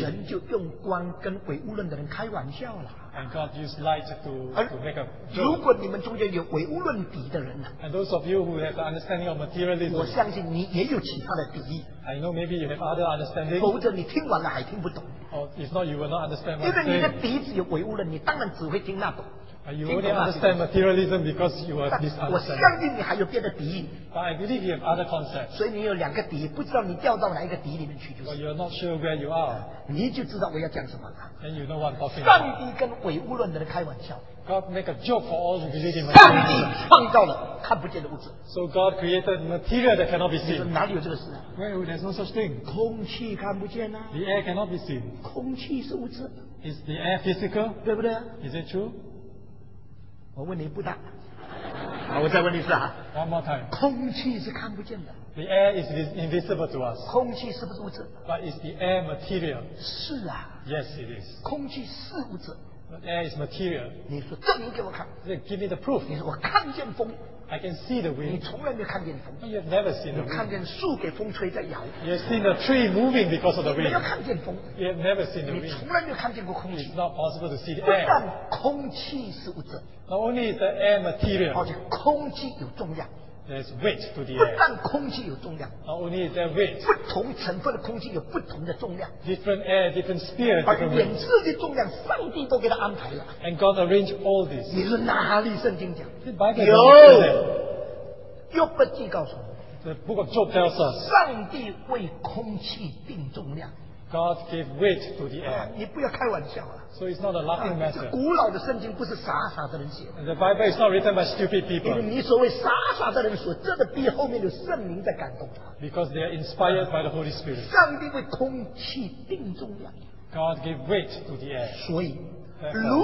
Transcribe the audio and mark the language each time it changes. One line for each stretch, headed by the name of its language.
Chinese: 神就用光跟唯物论的人开玩笑了。
English: And God used light to make a joke.
Chinese: 如果你们中间有唯物论底的人,
English: and those of you who have the understanding of materialism,
Chinese: 我相信你也有其他的底,
English: I know maybe you have other understanding.
Chinese: 否则你听完了还听不懂。
English: Or if not, you will not understand what I'm saying.
Chinese: 因为你的底子有唯物论, 你当然只会听那种。
English: You only understand materialism because you are misunderstanding. But I believe you have other concepts.
Chinese: 所以你有两个底,
English: but you are not sure where you are. And you know what I'm talking about. God make a joke for all who believe in materialism. So God created material that cannot be seen. Well, there's no such thing.
Chinese: 空气看不见啊?
English: The air cannot be seen.
Chinese: 空气是物质?
English: Is the air physical?
Chinese: 对不对?
English: Is it true?
Chinese: 我问你不答 我再问你一次啊
English: One more time
Chinese: 空气是看不见的
English: The air is invisible to us
Chinese: 空气是不是物质
English: But is the air material
Chinese: 是啊
English: Yes it is
Chinese: 空气是物质
English: But air is material
Chinese: 你说证明给我看
English: Give me the proof
Chinese: 你说我看见风
English: I can see the wind
Chinese: 你从来没有看见风
English: You have never seen the wind
Chinese: 你看见树给风吹在摇
English: You have seen the tree moving because of the wind
Chinese: 没有看见风
English: You have never seen the wind
Chinese: 你从来没有看见过空气
English: It's not possible to see the air
Chinese: 不但空气是物质
English: Not only is the air material,
Chinese: 而且空气有重量,
English: there's weight to the air.
Chinese: 不但空气有重量,
English: not only is there weight,
Chinese: 不同成分的空气有不同的重量,
English: different air, different spirit, different wind. And God arranged all this.
Chinese: 你说哪里圣经讲?
English: The Bible tells us,
Chinese: 上帝为空气定重量,
English: God gave weight to the air.
Chinese: 你不要开玩笑啊。
English: So it's not a laughing matter.
Chinese: 古老的圣经不是傻傻的人写的。
English: The Bible is not written by stupid people.
Chinese: 你所谓傻傻的人所，这个背后面有圣灵在感动他。
English: Because they are inspired by the Holy Spirit.
Chinese: 上帝为空气定重量。
English: God gave weight to the air.